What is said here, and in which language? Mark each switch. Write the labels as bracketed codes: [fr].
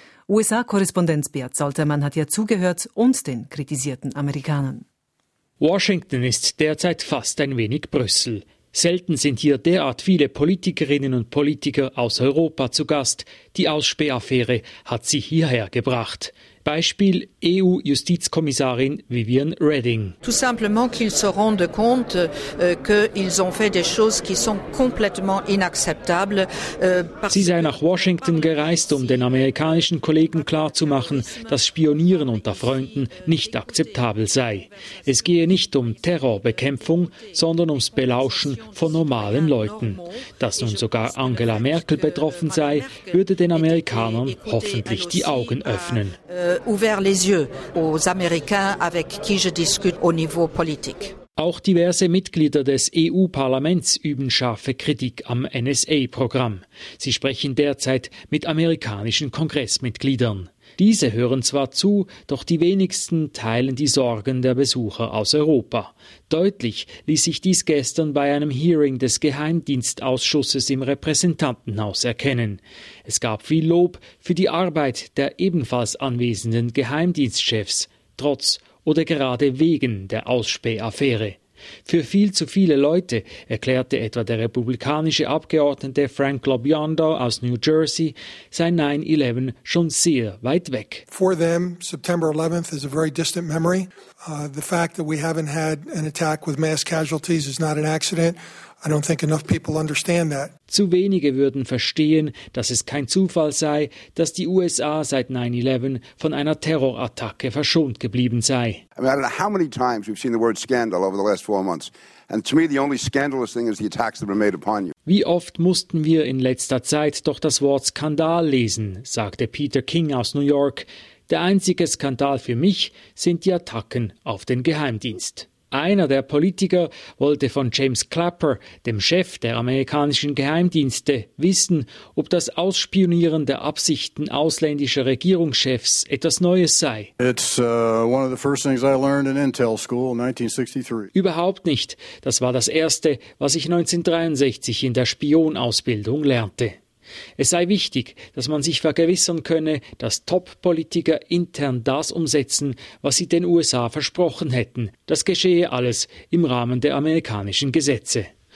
[de] USA-Korrespondent Beat Soltermann hat ja zugehört und den kritisierten Amerikanern. Washington ist derzeit fast ein wenig Brüssel. Selten sind hier derart viele Politikerinnen und Politiker aus Europa zu Gast. Die Ausspähaffäre hat sie hierher gebracht. Beispiel EU-Justizkommissarin Viviane Reding. [fr] Tout simplement qu'ils se rendent compte qu'ils ont fait des choses qui sont complètement inacceptables. [de] Sie sei nach Washington gereist, um den amerikanischen Kollegen klarzumachen, dass Spionieren unter Freunden nicht akzeptabel sei. Es gehe nicht um Terrorbekämpfung, sondern ums Belauschen von normalen Leuten. Dass nun sogar Angela Merkel betroffen sei, würde den Amerikanern hoffentlich die Augen öffnen. [fr] Ouvert les yeux aux Américains avec qui je discute au niveau politique. [de] Auch diverse Mitglieder des EU-Parlaments üben scharfe Kritik am NSA-Programm. Sie sprechen derzeit mit amerikanischen Kongressmitgliedern. Diese hören zwar zu, doch die wenigsten teilen die Sorgen der Besucher aus Europa. Deutlich ließ sich dies gestern bei einem Hearing des Geheimdienstausschusses im Repräsentantenhaus erkennen. Es gab viel Lob für die Arbeit der ebenfalls anwesenden Geheimdienstchefs, trotz oder gerade wegen der Ausspähaffäre. Für viel zu viele Leute, erklärte etwa der republikanische Abgeordnete Frank Lobbiondo aus New Jersey, sei 9/11 schon sehr weit weg. [en] For them, September 11th is a very distant memory. The fact that we haven't had an attack with mass casualties is not an accident. I don't think enough people understand that. [de] Zu wenige würden verstehen, dass es kein Zufall sei, dass die USA seit 9/11 von einer Terrorattacke verschont geblieben sei. [en] I mean, I don't know how many times we've seen the word scandal over the last four months. And to me the only scandalous thing is the attacks that were made upon you. [de] Wie oft mussten wir in letzter Zeit doch das Wort Skandal lesen, sagte Peter King aus New York. Der einzige Skandal für mich sind die Attacken auf den Geheimdienst. Einer der Politiker wollte von James Clapper, dem Chef der amerikanischen Geheimdienste, wissen, ob das Ausspionieren der Absichten ausländischer Regierungschefs etwas Neues sei. [en] It's one of the first things I learned in Intel school in 1963. [de] Überhaupt nicht. Das war das Erste, was ich 1963 in der Spionausbildung lernte. Es sei wichtig, dass man sich vergewissern könne, dass Top-Politiker intern das umsetzen, was sie den USA versprochen hätten. Das geschehe alles im Rahmen der amerikanischen Gesetze.